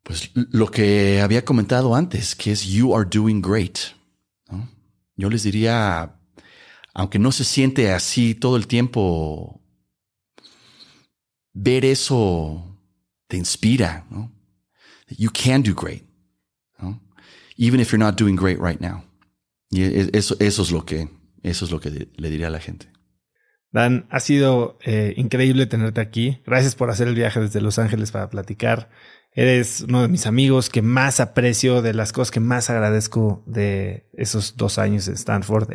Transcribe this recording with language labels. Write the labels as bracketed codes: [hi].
[es] Pues lo que había comentado antes, que es [en] you are doing great, [es] ¿no? Yo les diría, aunque no se siente así todo el tiempo, ver eso te inspira, ¿no? [en] You can do great. Even if you're not doing great right now. [es] Y eso es lo que le diría a la gente. Dan, ha sido increíble tenerte aquí. Gracias por hacer el viaje desde Los Ángeles para platicar. Eres uno de mis amigos que más aprecio, de las cosas que más agradezco de esos 2 años en Stanford.